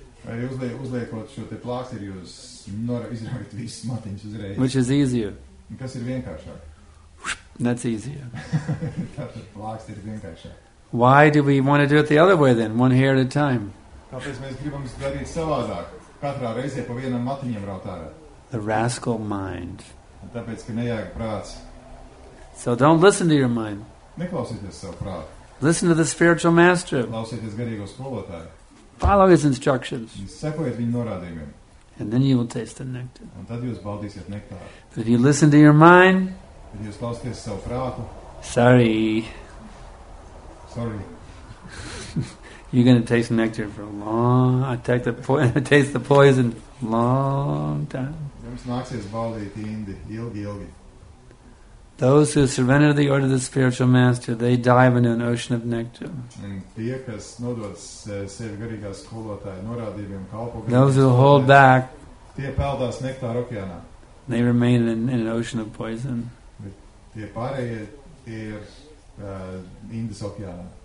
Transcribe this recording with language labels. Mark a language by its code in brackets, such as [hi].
[lv] Uzliekot šo te plāksteri, jūs izraukt visus matiņus uzreiz. [en] Which is easier. [lv] Kas ir vienkāršāk? [en] That's easier. [lv] Tātad plāksteri vienkāršāk. [en] Why do we want to do it the other way then, one hair at a time? [lv] Tāpēc mēs gribam darīt savādāk, katrā reizē pa vienam matiņam raut ārā. [en] The rascal mind. [lv] Tāpēc, ka nejāk prāts. [en] So don't listen to your mind. [lv] Neklausieties savu prātu. [en] Listen to the spiritual master. [lv] Klausieties garīgo skolotāju. [en] Follow his instructions. [lv] Sekojiet viņu norādījumiem. [en] And then you will taste the nectar. [lv] Un tad jūs baudīsiet nektāru. [en] But if you listen to your mind. [lv] Bet jūs klausieties savu prātu. [en] Sorry. Sorry. You're going to taste nectar for a long taste the poison long time. [lv] Jums nāksies baudīt indi ilgi, ilgi. [en] Those who surrender the order of the spiritual master, they dive into an ocean of nectar. [lv] Tie, kas nodod sevi garīgās skolotāju norādījumiem, kalpo garīgās [en] Those who hold back, [lv] tie peldās nektāru okeānā. [en] They remain in an ocean of poison. [lv] Tie pārējie ir Indas okeānā.